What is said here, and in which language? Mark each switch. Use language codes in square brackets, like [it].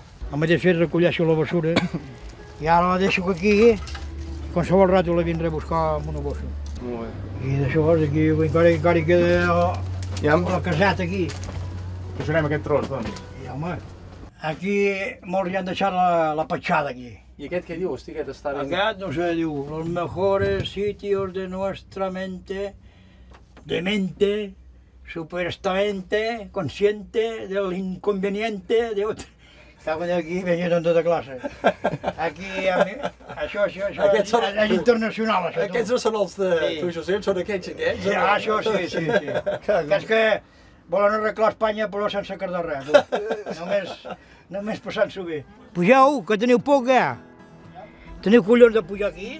[ca] El mateix fet, recolleixo la basura. I ara la deixo aquí. Qualsevol rato la vindré a buscar amb una bossa. Molt bé. I d'això, aquí, encara hi queda... Ja amb... La caseta aquí. Posarem aquest tros, doncs. I, home, aquí molts ja han deixat la petjada aquí. I aquest què diu, hosti, aquest està... Ben... Aquest, no sé, diu, [es] los mejores sitios de nuestra mente, de mente, supuestamente consciente del inconveniente de otro. [ca] Estava aquí venint amb tota classe. Aquí, això són... és internacional, això. Aquests no són els de sí. Tu, Josep, són aquests. Ja, això sí. Que és que volen arreglar Espanya però sense quedar res. només passant-s'ho bé. Pugeu, que teniu por, què? Teniu collons de pujar aquí?